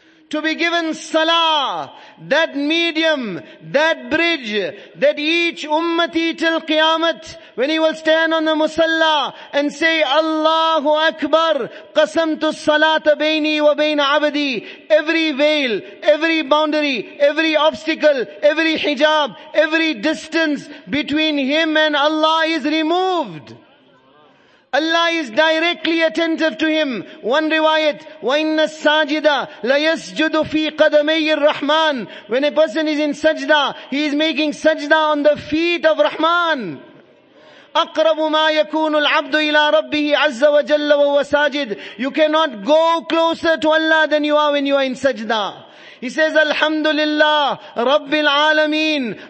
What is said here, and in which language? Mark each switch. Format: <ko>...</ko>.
<en>To be given salah, that medium, that bridge, that each ummati till qiyamah, when he will stand on the musalla and say, Allahu Akbar,</en> <ar>qasamtu salata baini wa baina abadi.</ar> <en>Every veil, every boundary, every obstacle, every hijab, every distance between him and Allah is removed. Allah is directly attentive to him. One riwayat,</en> <ar>وَإِنَّ السَّاجِدَ لَيَسْجُدُ فِي قَدَمَيِّ الرَّحْمَنِ.</ar> <en>When a person is in sajda, he is making sajda on the feet of Rahman.</en> <ar>أَقْرَبُ مَا يَكُونُ الْعَبْدُ إِلَىٰ رَبِّهِ عَزَّ وَجَلَّ وَهُوَ سَاجِدُ.</ar> <en>You cannot go closer to Allah than you are when you are in sajda. He says, Alhamdulillah, Rabbil Alameen.</en>